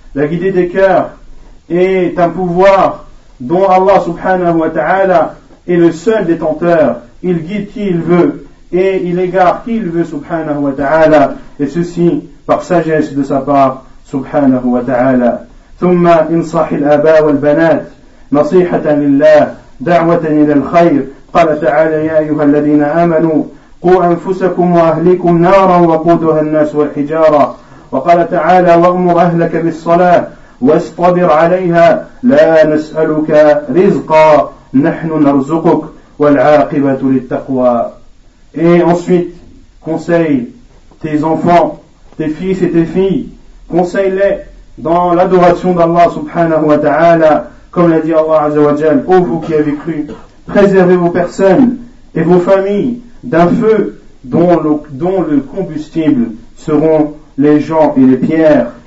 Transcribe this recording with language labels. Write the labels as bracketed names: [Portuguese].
[French] La guider des cœurs est un pouvoir dont Allah subhanahu wa ta'ala est le seul détenteur. Il guide qui il veut et il égare qui il veut subhanahu wa ta'ala, et ceci par sagesse de sa part subhanahu wa ta'ala. [Arabic] ثم انصح الآباء والبنات نصيحة لله دعوة إلى الخير. قال تعالى يا أيها الذين آمنوا قوا أنفسكم وأهليكم نارا وقودها الناس والحجارة. وقال تعالى وأمر أهلك بالصلاة واصطبر عليها لا نسألك رزقا نحن نرزقك والعاقبة للتقوى. [French] Et ensuite conseille tes enfants, tes fils et tes filles, conseille-les dans l'adoration d'Allah subhanahu wa ta'ala. Comme l'a dit Allah Azza wa Jal, ô vous qui avez cru, préservez vos personnes et vos familles d'un feu dont le combustible seront les gens et les pierres.